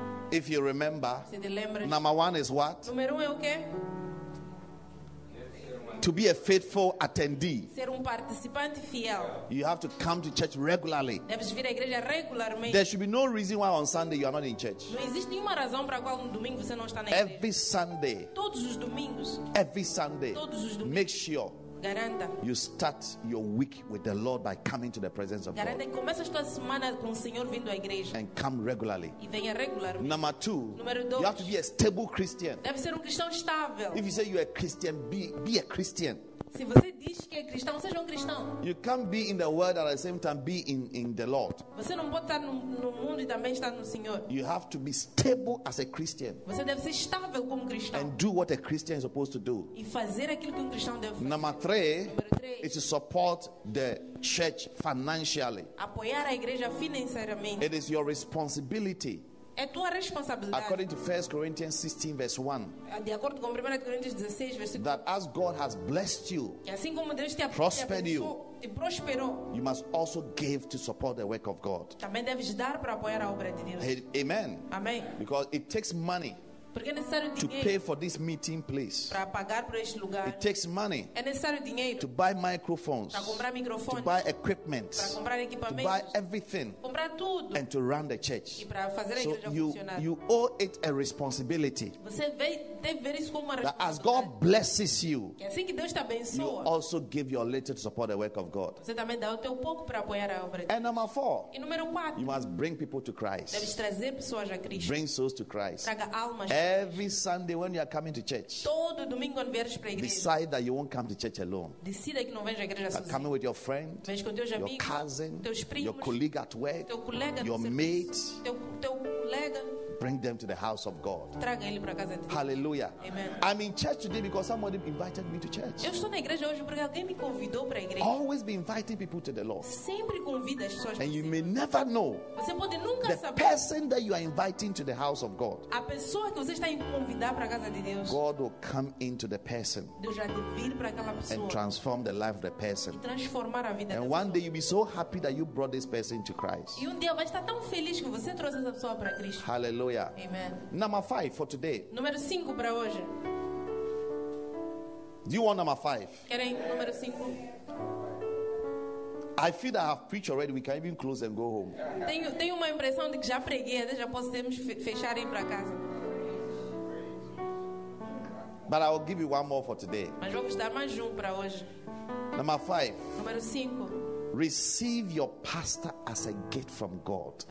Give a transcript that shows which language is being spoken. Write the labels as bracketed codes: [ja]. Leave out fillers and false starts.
[en] If you remember. [pt] Se te lembras. [en] Number one is what? [pt] Número um é o quê? [en] To be a faithful attendee. [pt] Ser participante fiel. [en] You have to come to church regularly. [pt] Deves vir à igreja regularmente. [en] There should be no reason why on Sunday you are not in church. [pt] Não existe nenhuma razão para a qual no domingo você não está na igreja. [en] Every Sunday. [pt] Todos os domingos. [en] Every Sunday. [pt] Todos os domingos. [en] Make sure. [pt] Garanta. [en] You start your week with the Lord by coming to the presence of [pt] garanta [en] God. [pt] Garanta que começas tua semana com o Senhor vindo à igreja. [en] And come regularly. [pt] E venha regularmente. [en] Number two. [pt] Número dois. [en] You have to be a stable Christian. [pt] Deve ser cristão estável. [en] If you say you are a Christian, be a Christian. [pt] Se você diz que é cristão, seja cristão. [en] You can't be in the world and at the same time be in the Lord. [pt] Você não pode estar no mundo e também estar no Senhor. [en] You have to be stable as a Christian. [pt] Você deve ser estável como cristão. [en] And do what a Christian is supposed to do. [pt] E fazer aquilo que cristão deve fazer. [en] Number three, is to support the church financially. [pt] Apoiar a igreja financeiramente. [en] It is your responsibility. [pt] É tua responsabilidade. [en] According to 1 Corinthians 16, verse 1. [pt] De acordo com 1 Coríntios 16, versículo 1. [en] That as God has blessed you, [pt] assim como Deus te [en] prospered [pt] te [en] you, [pt] te prosperou, [en] you must also give to support the work of God. [pt] Também deves dar para apoiar a obra de Deus. [en] Amen. [pt] Amém. [en] Because it takes money. [pt] Porque é necessário dinheiro. [en] To pay for this meeting place. [pt] Para pagar por este lugar. [en] It takes money. [pt] É necessário dinheiro. [en] To buy microphones. [pt] Para comprar microfones. [en] To buy equipment. [pt] Para comprar equipamentos. [en] To buy everything. [pt] Comprar tudo. [en] And to run the church. [pt] E para fazer [en] so [pt] a igreja funcionar. [en] You owe it a responsibility. [pt] Você deve isso como uma responsabilidade. [en] As God blesses you. [pt] Que assim que Deus te abençoa. [en] You also give your little to support the work of God. [pt] Você também dá o teu pouco para apoiar a obra de Deus. [en] And number four. [pt] E número quatro. [en] You must bring people to Christ. [pt] Deves trazer pessoas a Cristo. [en] Bring souls to Christ. [pt] Traga almas. [en] Every Sunday when you are coming to church, [pt] todo domingo quando vieres para a igreja, [en] decide that you won't come to church alone. [pt] Decida que não vens à igreja sozinho. [en] Coming with your friend, [pt] vens com teus [en] your [pt] amigos, [en] cousin, [pt] teus primos, [en] your colleague at work, [pt] teu colega [en] your [pt] serviço, [en] mate, [pt] teu colega. [en] Bring them to the house of God. [pt] Traga ele para casa de Deus. [en] Hallelujah. Amen. I'm in church today because somebody invited me to church. [pt] Eu estou na igreja hoje porque alguém me convidou para a igreja. [en] Always be inviting people to the Lord. [pt] Sempre convida as pessoas. [en] And you may never know. [pt] Você pode nunca saber. [en] The person that you are inviting to the house of God. [pt] A pessoa que você está convidando para casa de Deus. [en] God will come into the person. [pt] Deus vai vir para aquela pessoa. [en] And transform the life of the person. [pt] E transformar a vida. [en] And one day you'll be so happy that you brought this person to Christ. [pt] E um dia vai estar tão feliz que você trouxe essa pessoa para Cristo. [en] Hallelujah. Hallelujah. Amen. Number five for today. [pt] Número 5 para hoje. [en] Do you want number 5? [pt] Querem número 5? [en] I feel that I have preached already. We can even close and go home. [pt] Tenho uma impressão de que já preguei, já podemos fechar e ir para casa. [en] But I will give you one more for today. [pt] Mas vou dar mais para hoje. [en] Number 5. [pt] Número 5. [en] Receive your pastor as a gift from God.